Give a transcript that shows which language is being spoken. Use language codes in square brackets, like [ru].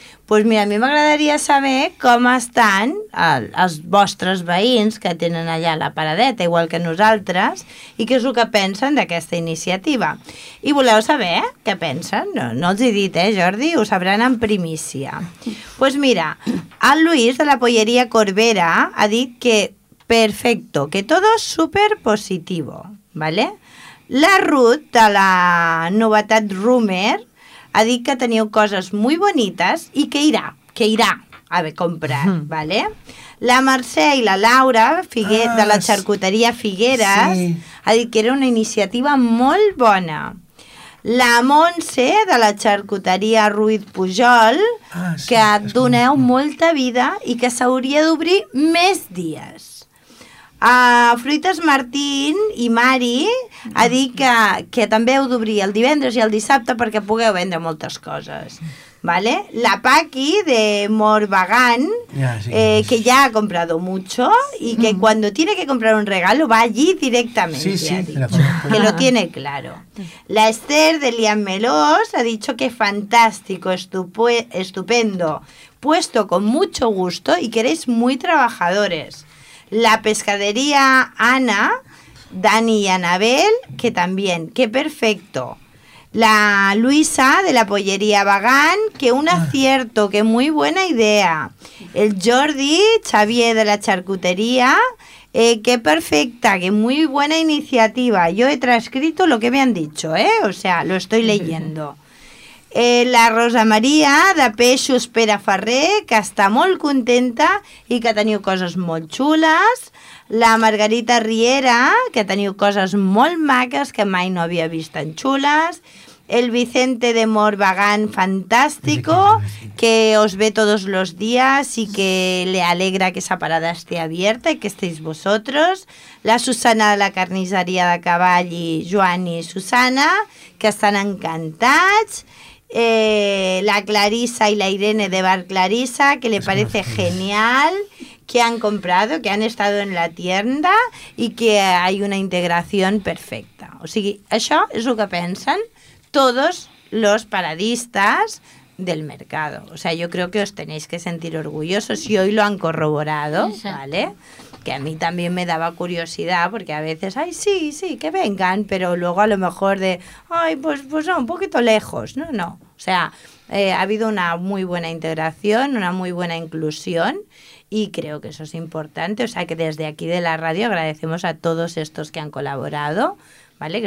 [es] Pues mira, [ca] a mi m'agradaria saber com estan els vostres veïns que tenen allà la paradeta, igual que nosaltres, i què és el que pensen d'aquesta iniciativa. I voleu saber què pensen? No, no els he dit, Jordi, ho sabran en primícia. Pues mira, el Luis de la Polleria Corbera ha dit que perfecto, [es] que todo súper positivo, ¿vale? [ca] La Ruth de la Novetat Rumor ha dit que teniu coses molt bonites i que irà a comprar, ¿vale? La Mercè i la Laura de la Xarcuteria Figueres ha dit que era una iniciativa molt bona. La Montse de la Xarcuteria Ruiz Pujol, que doneu molta vida i que s'hauria d'obrir més dies. Fruites Martín i Mari ha dit que també heu d'obrir el divendres i el dissabte perquè pugueu vendre moltes coses, ¿vale? [es] La Paqui de Morvagan, que ja ha comprado mucho y que cuando tiene que comprar un regalo va allí directamente, que lo tiene claro. La Esther de Lian Melós ha dicho que fantástico, estupendo, puesto con mucho gusto y que eres muy trabajadores. La pescadería Ana, Dani y Anabel, que también, qué perfecto. La Luisa de la pollería Bagán, que un acierto, que muy buena idea. El Jordi, Xavier de la charcutería, qué perfecta, que muy buena iniciativa. Yo he transcrito lo que me han dicho, o sea, lo estoy leyendo. [ca] La Rosa Maria de Peixos Pere Ferrer, que està molt contenta i que teniu coses molt xules. La Margarita Riera, que teniu coses molt maques que mai no havia vist tan xules. [es] El Vicente de Morvagan, fantástico, que os ve todos los días y que le alegra que esa parada esté abierta y que estéis vosotros. [ca] La Susana de la Carnisseria de Cavall i Joan i Susana, que estan encantats. [es] La Clarissa i la Irene de Bar Clarissa, que le parece genial que han comprado, que han estado en la tienda y que hay una integración perfecta. [ca] O sigui, això és el que pensen [es] todos los paradistas del mercado. O sea, yo creo que os tenéis que sentir orgullosos y hoy lo han corroborado, ¿vale? Que a mí también me daba curiosidad porque a veces, ay, sí, sí, que vengan, pero luego a lo mejor de, ay, pues no, un poquito lejos. No, no. O sea, ha habido una muy buena integración, una muy buena inclusión y creo que eso es importante. O sea, que desde aquí de la radio agradecemos a todos estos que han colaborado, ¿vale?